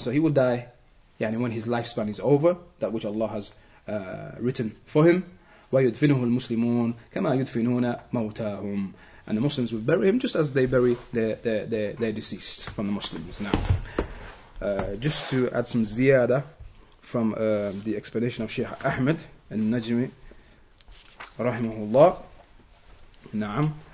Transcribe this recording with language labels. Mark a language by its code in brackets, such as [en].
[en] So he will die, يعني when his lifespan is over, that which Allah has written for him. [ar] ويدفنه المسلمون كما يدفنون موتاهم. [en] And the Muslims will bury him just as they bury their deceased from the Muslims. Now, just to add some ziyada from the explanation of Sheikh Ahmed al-Najmi rahimahullah. Naam.